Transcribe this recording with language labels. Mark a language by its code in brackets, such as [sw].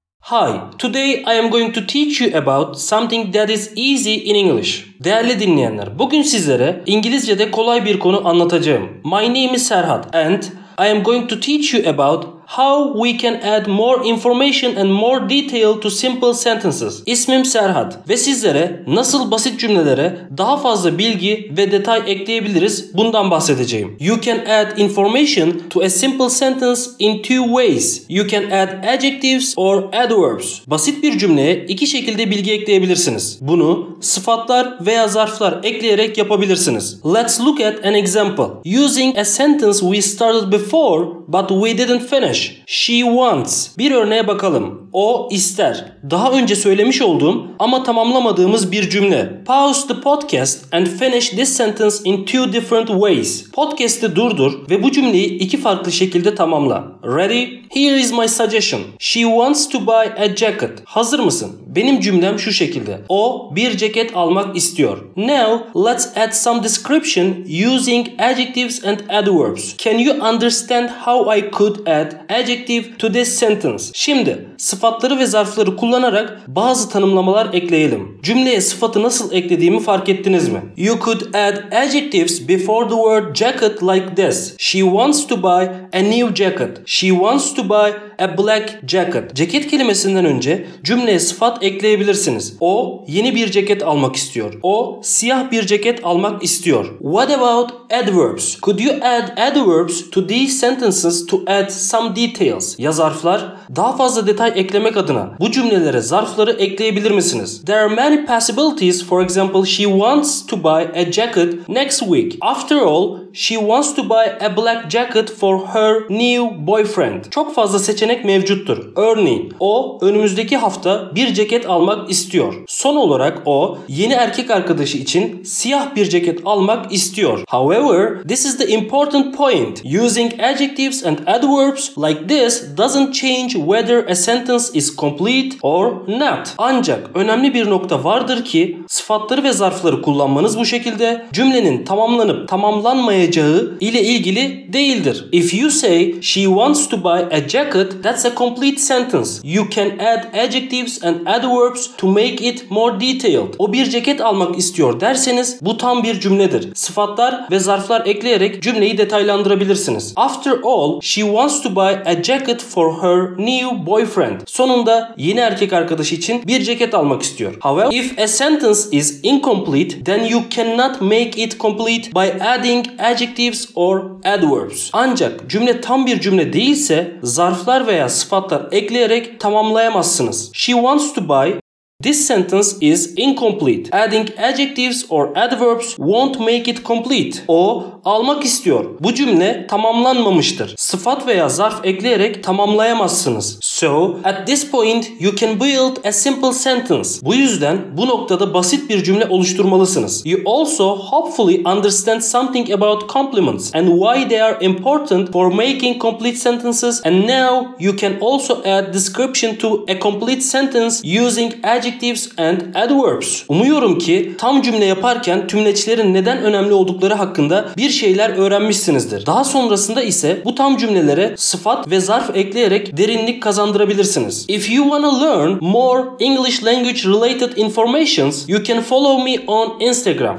[en] Hi, today I am going to teach you about something that is easy in English. [tr] Değerli dinleyenler, bugün sizlere İngilizce'de kolay bir konu anlatacağım. [en] My name is Serhat and I am going to teach you about how we can add more information and more detail to simple sentences. [tr] İsmim Serhat ve sizlere nasıl basit cümlelere daha fazla bilgi ve detay ekleyebiliriz bundan bahsedeceğim. [en] You can add information to a simple sentence in two ways. You can add adjectives or adverbs. [tr] Basit bir cümleye iki şekilde bilgi ekleyebilirsiniz. Bunu sıfatlar veya zarflar ekleyerek yapabilirsiniz. [en] Let's look at an example. Using a sentence we started before but we didn't finish. She wants. [tr] Bir örneğe bakalım. O ister. Daha önce söylemiş olduğum ama tamamlamadığımız bir cümle. [en] Pause the podcast and finish this sentence in two different ways. [tr] Podcast'ı durdur ve bu cümleyi iki farklı şekilde tamamla. [en] Ready? Here is my suggestion. She wants to buy a jacket. [tr] Hazır mısın? Benim cümlem şu şekilde. O bir ceket almak istiyor. [en] Now, let's add some description using adjectives and adverbs. Can you understand how I could add adjective to this sentence? [tr] Şimdi, sıfatları ve zarfları kullanarak bazı tanımlamalar ekleyelim. Cümleye sıfatı nasıl eklediğimi fark ettiniz mi? [en] You could add adjectives before the word jacket like this. She wants to buy a new jacket. She wants to buy a black jacket. [tr] Ceket kelimesinden önce cümleye sıfat ekleyebilirsiniz. O yeni bir ceket almak istiyor. O siyah bir ceket almak istiyor. [en] What about adverbs? Could you add adverbs to these sentences to add some details? [tr] Ya zarflar? Daha fazla detay eklemek adına bu cümlelere zarfları ekleyebilir misiniz? [en] There are many possibilities. For example, she wants to buy a jacket next week. After all, she wants to buy a black jacket for her new boyfriend. [tr] Çok fazla seçenek mevcuttur. Örneğin, o önümüzdeki hafta bir ceket almak istiyor. Son olarak o yeni erkek arkadaşı için siyah bir ceket almak istiyor. [en] However, this is the important point. Using adjectives and adverbs like this doesn't change whether a sentence is complete or not. [tr] Ancak önemli bir nokta vardır ki sıfatları ve zarfları kullanmanız bu şekilde cümlenin tamamlanıp tamamlanmayacağı ile ilgili değildir. [en] If you say she wants to buy a jacket, that's a complete sentence. You can add adjectives and adverbs to make it more detailed. [tr] O bir ceket almak istiyor derseniz bu tam bir cümledir. Sıfatlar ve zarflar ekleyerek cümleyi detaylandırabilirsiniz. [en] After all, she wants to buy a jacket for her new boyfriend. [tr] Sonunda yeni erkek arkadaşı için bir ceket almak istiyor. [en] However, if a sentence is incomplete, then you cannot make it complete by adding adjectives or adverbs. [tr] Ancak cümle tam bir cümle değilse, zarflar veya sıfatlar ekleyerek tamamlayamazsınız. [en] She wants to buy. This sentence is incomplete. Adding adjectives or adverbs won't make it complete. [tr] O almak istiyor. Bu cümle tamamlanmamıştır. Sıfat veya zarf ekleyerek tamamlayamazsınız. [en] So, at this point you can build a simple sentence. [tr] Bu yüzden bu noktada basit bir cümle oluşturmalısınız. [en] You also hopefully understand something about complements and why they are important for making complete sentences. And now you can also add description to a complete sentence using adjectives and adverbs. [tr] Umuyorum ki tam cümle yaparken tümleçlerin neden önemli oldukları hakkında bir şeyler öğrenmişsinizdir. Daha sonrasında ise bu tam cümlelere sıfat ve zarf ekleyerek derinlik kazandırabilirsiniz. [en] If you wanna learn more English language related informations, you can follow me on Instagram.